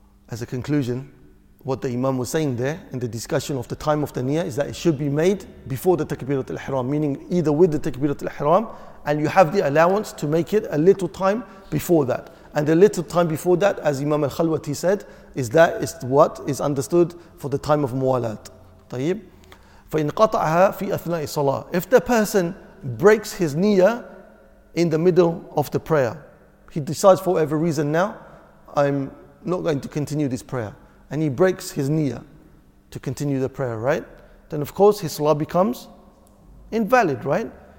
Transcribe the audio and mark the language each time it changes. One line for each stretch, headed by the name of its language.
English: As a conclusion, what the Imam was saying there in the discussion of the time of the knee is that it should be made before the takbirat al-ihram, meaning either with the takbirat al-ihram, and you have the allowance to make it a little time before that. And a little time before that, as Imam Al-Khalwati said, is that is what is understood for the time of Muwalat.
Arabic: طيب. فإن قطعها في أثناء الصلاة.
English: If the person breaks his niyyah in the middle of the prayer, he decides for whatever reason now, I'm not going to continue this prayer. And he breaks his niyyah to continue the prayer, right? Then of course his salah becomes invalid, right?